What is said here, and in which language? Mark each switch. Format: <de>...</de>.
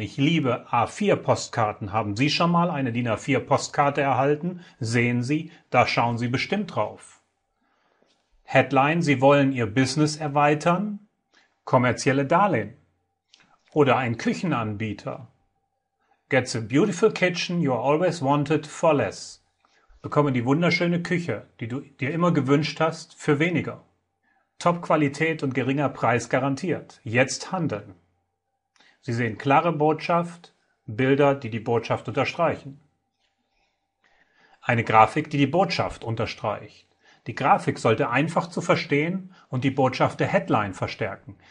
<de>Ich liebe A4-Postkarten. Haben Sie schon mal eine DIN A4-Postkarte erhalten? Sehen Sie, da schauen Sie bestimmt drauf. Headline, Sie wollen Ihr Business erweitern, kommerzielle Darlehen oder ein Küchenanbieter.</de> <en>Get the beautiful kitchen you always wanted for less.</en> <de>Bekomme die wunderschöne Küche, die du dir immer gewünscht hast, für weniger. Top-Qualität und geringer Preis garantiert. Jetzt handeln. Sie sehen klare Botschaft, Bilder, die die Botschaft unterstreichen. Eine Grafik, die die Botschaft unterstreicht. Die Grafik sollte einfach zu verstehen und die Botschaft der Headline verstärken.</de>